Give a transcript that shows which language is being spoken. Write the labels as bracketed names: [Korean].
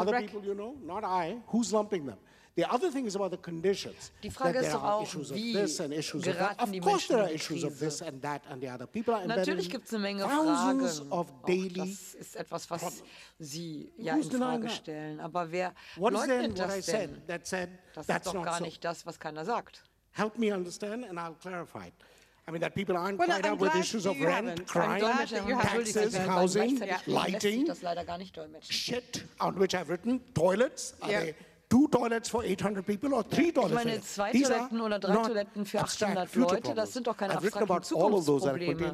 [English] Other people you know, not I, who's lumping them? The other thing is about the conditions, that there are issues of this and issues of that. Of course there are issues of this and that and the other. People are embedded in thousands of daily problems. [German] Sie ja in Frage stellen. Aber wer leugnet das denn? Das ist doch gar nicht das, was keiner sagt. [English] Help me understand and I'll clarify it. I mean, that people aren't tied up with issues of rent, crime, taxes, housing, lighting, shit, on which I've written, toilets. Are they two toilets for 800 people or three toilets? These are not abstract future problems. I've written about all of those that